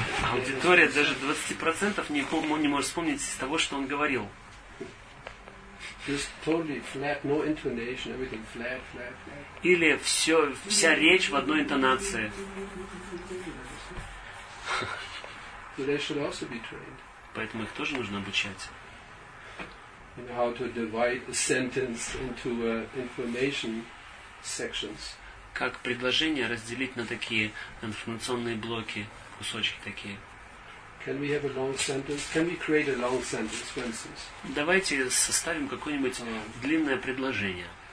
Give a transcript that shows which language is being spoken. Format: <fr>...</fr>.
<ru>Аудитория даже 20% не может вспомнить из того, что он говорил.</ru> <en>Just totally flat, no intonation, everything flat.</en> <ru>Или вся речь в одной интонации.</ru> <en>They should also be trained.</en> <ru>Поэтому их тоже нужно обучать.</ru> <en>And how to divide a sentence into information sections.</en> <ru>Как предложение разделить на такие информационные блоки, кусочки такие.</ru> <en>Can we have a long sentence? Can we create a long sentence, for instance?</en> <ru>Давайте составим какое-нибудь длинное предложение.</ru>